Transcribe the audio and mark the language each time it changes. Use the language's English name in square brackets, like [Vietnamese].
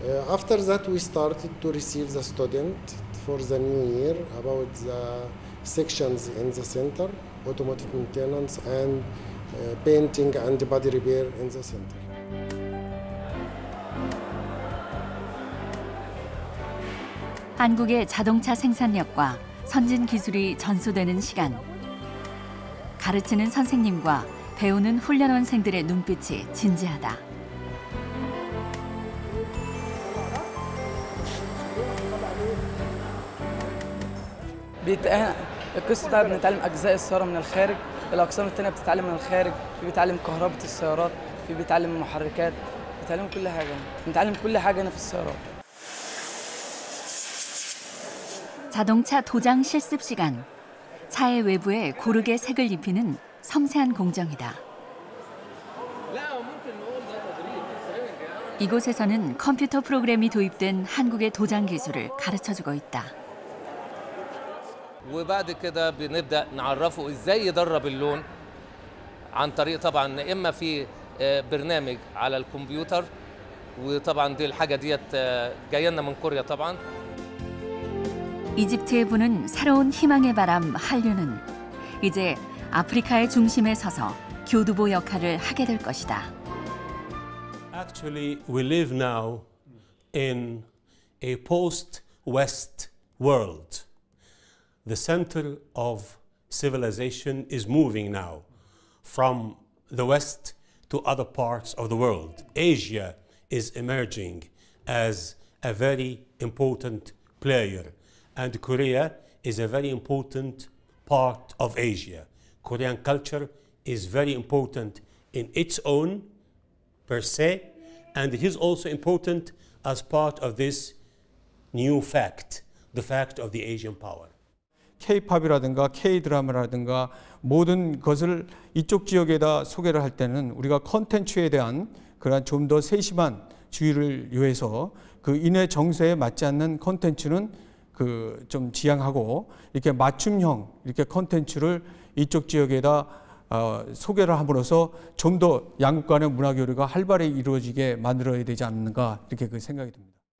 [English] After that, we started to receive the student for the new year about the sections in the center, automotive maintenance and painting and body repair in the center. [Korean] 한국의 자동차 생산력과 선진 기술이 전수되는 시간. 가르치는 선생님과 배우는 훈련원생들의 눈빛이 진지하다. [Arabic] القسم بنتعلم اجزاء السياره من الخارج الاقسام الثانيه بتتعلم من الخارج في بيتعلم كهرباء السيارات في بيتعلم محركات بيتعلم كل حاجه بنتعلم كل حاجه هنا في السيارات [Korean] 자동차 도장 실습 시간 차의 외부에 고르게 색을 입히는 섬세한 공정이다. 이곳에서는 컴퓨터 프로그램이 도입된 한국의 도장 기술을 가르쳐 주고 있다. [Arabic] وبعد كده بنبدا نعرفه ازاي يدرب اللون عن طريق طبعا اما في برنامج على الكمبيوتر وطبعا دي الحاجه ديت جايه لنا من كوريا طبعا [Korean] 이집트에 부는 새로운 희망의 바람 한류는 이제 아프리카의 중심에 서서 교두보 역할을 하게 될 것이다. [English] Actually we live now in a post west world. The center of civilization is moving now from the West to other parts of the world. Asia is emerging as a very important player, and Korea is a very important part of Asia. Korean culture is very important in its own per se, and it is also important as part of this new fact, the fact of the Asian power. [Korean] K-팝이라든가 K-드라마라든가 모든 것을 이쪽 지역에다 소개를 할 때는 우리가 콘텐츠에 대한 그런 좀 더 세심한 주의를 요해서 그 인의 정서에 맞지 않는 콘텐츠는 그 좀 지양하고 이렇게 맞춤형 이렇게 콘텐츠를 이쪽 지역에다 소개를 함으로써 좀 더 양국 간의 문화 교류가 활발히 이루어지게 만들어야 되지 않는가 이렇게 그 생각이 듭니다.